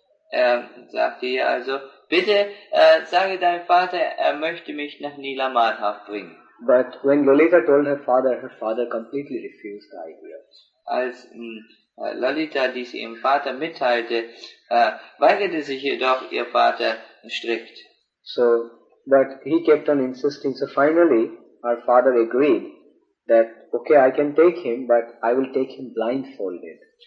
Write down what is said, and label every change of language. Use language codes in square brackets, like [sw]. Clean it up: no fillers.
[de] Er sagte ihr also, bitte sage deinem Vater, er möchte mich nach Nila Madhav bringen. [en] But when Lalita told her father completely refused the idea. [de] Als Lalita dies ihrem Vater mitteilte, weigerte sich jedoch ihr Vater strikt. [en] So, but he kept on insisting. So finally, her father agreed that, okay, I can take him, but I will take him blindfolded.